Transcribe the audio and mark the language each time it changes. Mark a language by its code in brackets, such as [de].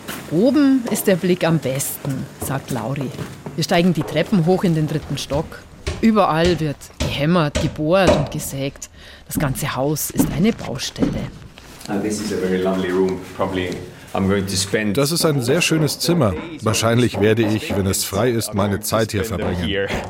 [de] Oben ist der Blick am besten, sagt Lauri. Wir steigen die Treppen hoch in den dritten Stock. Überall wird gehämmert, gebohrt und gesägt. Das ganze Haus ist eine Baustelle. [en] And this is a very lovely room, probably [de] Das ist ein sehr schönes Zimmer. Wahrscheinlich werde ich, wenn es frei ist, meine Zeit hier verbringen.